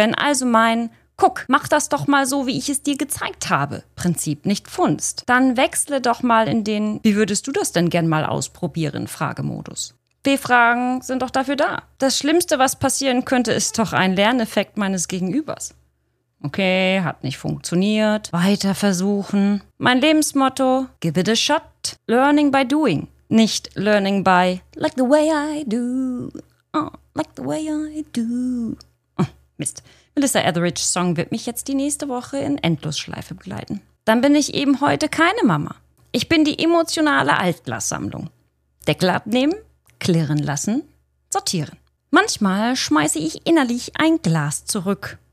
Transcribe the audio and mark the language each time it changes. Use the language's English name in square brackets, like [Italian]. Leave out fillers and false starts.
[German] Wenn also mein "Guck, mach das doch mal so, wie ich es dir gezeigt habe" Prinzip nicht funzt, dann wechsle doch mal in den "Wie würdest du das denn gern mal ausprobieren?" Fragemodus. B-Fragen sind doch dafür da. Das Schlimmste, was passieren könnte, ist doch ein Lerneffekt meines Gegenübers. Okay, hat nicht funktioniert. Weiter versuchen. Mein Lebensmotto, [English] give it a shot. Learning by doing, [German] nicht [English] learning by like the way I do. Oh, like the way I do. Oh, [German] Mist. Melissa Etheridge's Song wird mich jetzt die nächste Woche in Endlosschleife begleiten. Dann bin ich eben heute keine Mama. Ich bin die emotionale Altglassammlung. Deckel abnehmen, klirren lassen, sortieren. Manchmal schmeiße ich innerlich ein Glas zurück.